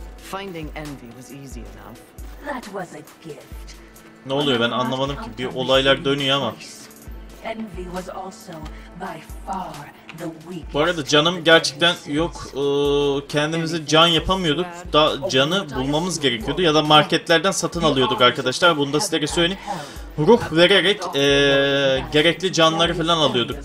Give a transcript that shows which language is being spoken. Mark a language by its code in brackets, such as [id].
[en] Finding envy was easy enough. That was a gift. [tr] Ne oluyor, ben anlamadım ki, bir olaylar dönüyor ama. [en] Envy was also by far the weakest. [tr] Bu arada canım gerçekten yok, kendimize can yapamıyorduk. Daha canı bulmamız gerekiyordu ya da marketlerden satın alıyorduk arkadaşlar. Bunu da size söyleyeyim. Ruh vererek gerekli canları falan alıyorduk.